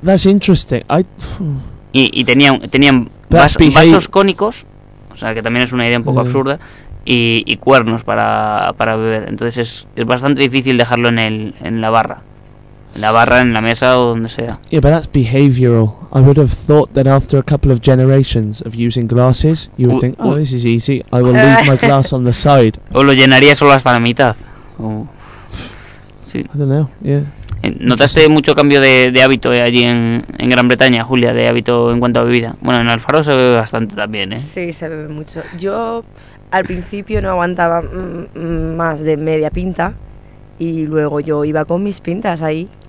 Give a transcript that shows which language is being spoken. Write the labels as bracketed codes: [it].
[en] That's interesting. [es] Y tenían vasos cónicos, o sea, que también es una idea un poco absurda, y cuernos para beber. Entonces es bastante difícil dejarlo en la barra, en la mesa o donde sea. [en] Yeah, but that's behavioral. I would have thought that after a couple of generations of using glasses, you would think, this is easy, I will leave my glass on the side. [es] O lo llenaría solo hasta la mitad. Sí. [en] I don't know, yeah. [es] ¿Notaste mucho cambio de hábito allí en Gran Bretaña, Julia, de hábito en cuanto a bebida? Bueno, en Alfaro se bebe bastante también, ¿eh? Sí, se bebe mucho. Yo al principio no aguantaba más de media pinta, y luego yo iba con mis pintas ahí.